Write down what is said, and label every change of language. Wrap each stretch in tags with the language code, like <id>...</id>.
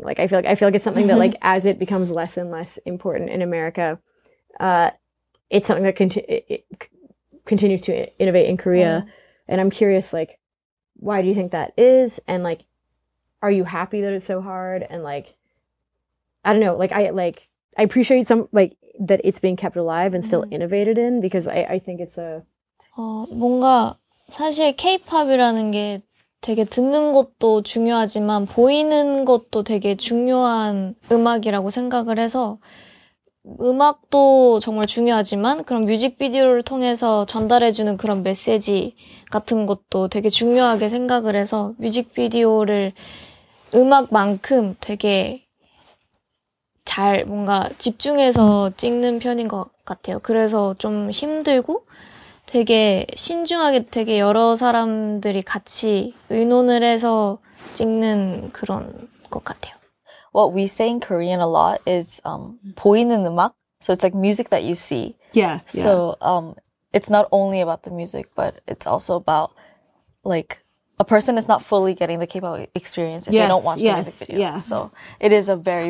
<en>Like, I feel like it's something that like, as it becomes less and less important in America, it's something that continues to innovate in Korea. Yeah. And I'm curious, like, why do you think that is? And like, are you happy that it's so hard? And like, I don't know, like I appreciate some like that it's being kept alive and still innovated in because I think it's a</en> <ko>뭔가 사실 K-pop이라는 게 되게 듣는 것도 중요하지만 보이는 것도 되게 중요한 음악이라고 생각을 해서 음악도 정말 중요하지만 그런 뮤직비디오를 통해서 전달해주는 그런 메시지 같은 것도 되게 중요하게 생각을 해서 뮤직비디오를 음악만큼 되게 잘 뭔가 집중해서 찍는 편인 것 같아요. 그래서 좀 힘들고 되게 신중하게 되게 여러 사람들이 같이 의논을 해서 찍는 그런 것 같아요.</ko> <en>What we say in Korean a lot is</en> <ko>보이는 음악.</ko> <en>So it's like music that you see. Yeah. So it's not only about the music, but it's also about like a person is not fully getting the K-pop experience if they don't watch the music video. Yeah. So it is a very</en>